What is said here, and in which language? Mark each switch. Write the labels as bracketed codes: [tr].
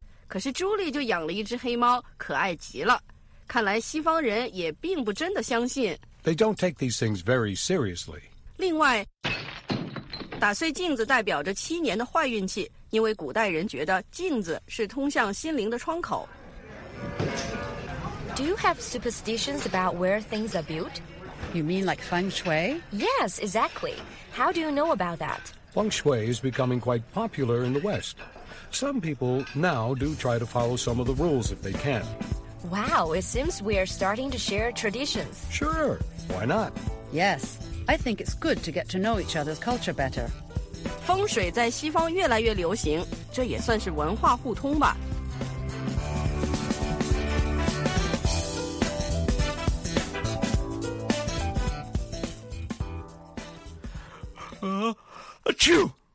[zh] 可是朱莉就养了一只黑猫，可爱极了。看来西方人也并不真的相信。 [en] They don't take these things very seriously. [zh] 另外。打碎镜子代表着7年的坏运气，因为古代人觉得镜子是通向心灵的窗口。 [en] Do you have superstitions about where things are built? You mean like feng shui? Yes, exactly. How do you know about that? Feng shui is becoming quite popular in the West. Some people now do try to follow some of the rules if they can. Wow, it seems we are starting to share traditions. Sure, why not? Yes. I think it's good to get to know each other's culture better. [zh] 风水在西方越来越流行，这也算是文化互通吧。 Achoo!